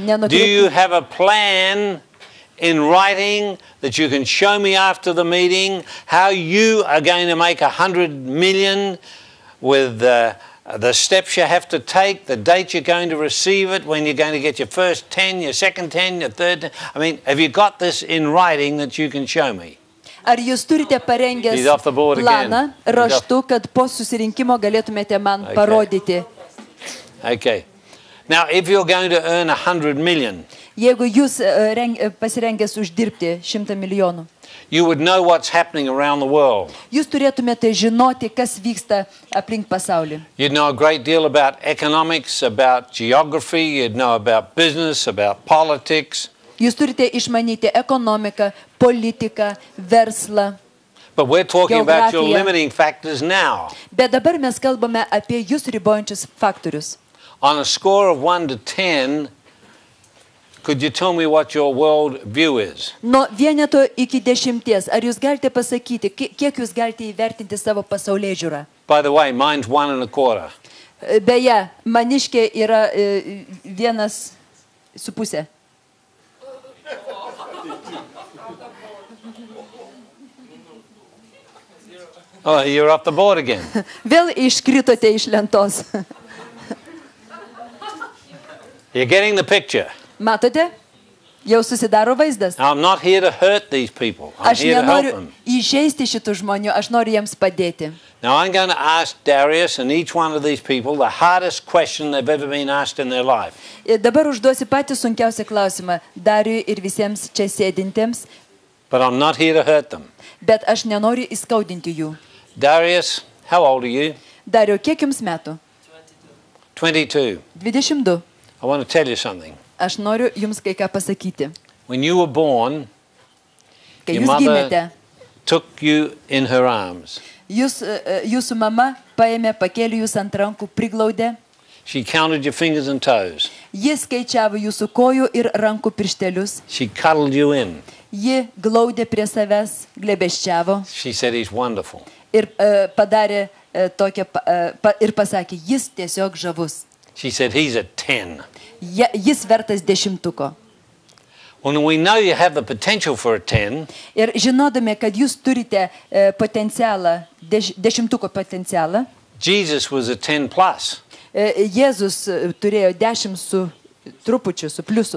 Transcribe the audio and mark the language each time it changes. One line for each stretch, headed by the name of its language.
English: Do you have a plan in writing that you can show me after the meeting how you are going to make 100 million with the steps you have to take, the date you're going to receive it, when you're going to get your first 10, your second 10, your third 10. I mean, have you got this in writing that you can show me?
Lithuanian: Ar jūs turite parengęs planą raštu, kad po susirinkimo galėtumėte man parodyti?
English: Okay. Now, if you're going to earn 100 million,
Lithuanian: jeigu jūs pasirengęs uždirbti 100 milijonų,
English: you would know what's happening around the world.
Lithuanian: Jūs turėtumėte žinoti, kas vyksta aplink pasaulį.
English: You'd know a great deal about economics, about geography, you'd know about business, about politics.
Lithuanian: Jūs turite išmanyti ekonomiką, politiką, verslą.
English: But we're talking about your limiting factors now.
Lithuanian: Bet dabar mes kalbame apie jūs ribojančius faktorius.
English: On a score of 1 to 10, could you tell me what your world view is?
Lithuanian: Nuo vieneto iki dešimties, ar jūs galite pasakyti, kiek jūs galite įvertinti savo pasaulėžiūrą?
English: By the way, mine's 1 and a quarter.
Lithuanian: Beje, maniškė yra vienas su pusė.
English: Oh, you're off the board again.
Lithuanian: Vėl iškritote iš lentos.
English: You're getting the picture.
Lithuanian: Matote? Jau susidaro vaizdas.
English: I'm not here to hurt these people.
Lithuanian: Aš nenoriu įžeisti šitų žmonių, aš noriu jiems padėti.
English: Now I'm going to ask Darius and each one of these people the hardest question they've ever been asked in their life.
Lithuanian: Dabar užduosi patį sunkiausią klausimą Dariui ir visiems čia sėdintiems.
English: But I'm not here to hurt them.
Lithuanian: Bet aš nenoriu įskaudinti jų.
English: Darius, how old are you?
Lithuanian: Dariau, kiek jums metų? 22.
English: I want to tell you something.
Lithuanian: Aš noriu jums kai ką pasakyti.
English: When you were born,
Lithuanian: kai jūs gimėte,
English: took you in her arms.
Lithuanian: Jūsų mama paėmė, pakėlė jūs ant rankų, priglaudė.
English: She counted your fingers and toes.
Lithuanian: Ji skaičiavo jūsų kojų ir rankų pirštelius.
English: She cuddled you in.
Lithuanian: Ji glaudė prie savęs, glėbesčiavo.
English: She said he's wonderful.
Lithuanian: Ir padarė tokią ir pasakė, jis tiesiog žavus.
English: She said he's a 10.
Lithuanian: Jis vertas dešimtuko.
English: When we know you have the potential for a 10.
Lithuanian: Ir žinodami, kad jūs turite potencialą, dešimtuko potencialą.
English: Jesus was a 10 plus.
Lithuanian: Jėzus turėjo 10 su trupučiu, su pliusu.